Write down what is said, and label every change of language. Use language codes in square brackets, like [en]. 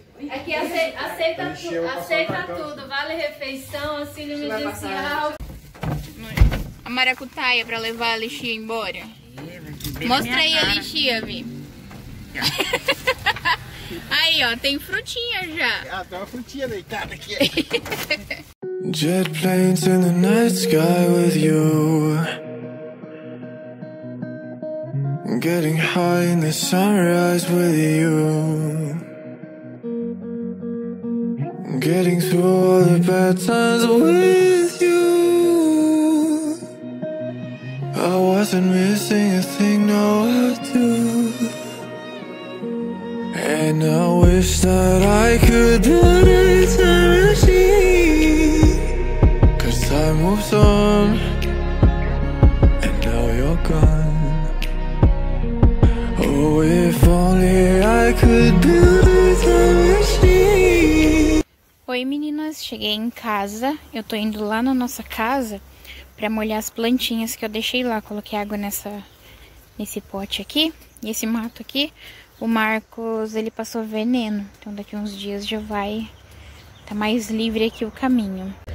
[pt] Aqui aceita, aceita tudo. Vale refeição, auxílio emergencial. A maracutaia pra levar a lixia embora. Mostra aí a lixia, Vi. Aí, ó, tem frutinha já. Ah, tem uma frutinha deitada aqui. [en] Jet planes in the night sky with you. Getting high in the sunrise with you. Getting through all the bad times with you. I wasn't missing a thing, no, I do. And I wish that I could build a time machine. Cause time moves on, and now you're gone. Oh, if only I could build a time machine. [pt] Oi meninas, cheguei em casa. Eu tô indo lá na nossa casa pra molhar as plantinhas que eu deixei lá. Coloquei água nesse pote aqui, nesse mato aqui. O Marcos, ele passou veneno, então daqui uns dias já vai tá mais livre aqui o caminho.